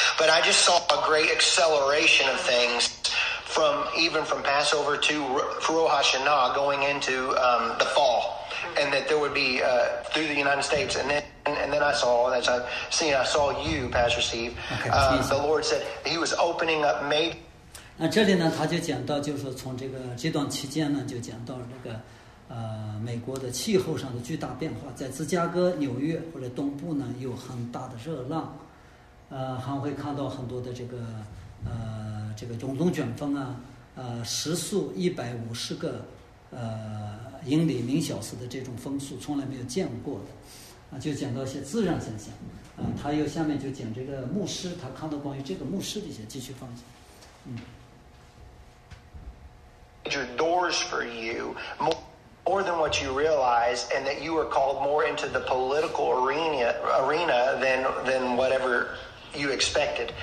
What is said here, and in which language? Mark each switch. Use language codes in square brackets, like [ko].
[en] But I just saw a great acceleration of things from even from Passover to Rosh Hashanah going into the fall, and that there would be through the United States. And then I saw, as I've seen, I saw you, Pastor Steve. Okay, the Lord said he was opening up May. [zh] 那这里呢，他就讲到，就是从这段期间呢，就讲到这个，美国的气候上的巨大变化，在芝加哥、纽约或者东部呢，有很大的热浪，还会看到很多的这个涌动卷风啊，时速150个英里每小时的这种风速，从来没有见过的，就讲到一些自然现象，他又下面就讲这个牧师，他看到关于这个牧师的一些继续分享， [en] Major doors for you, more than what you realize, and that you are called more into the political arena than whatever you expected.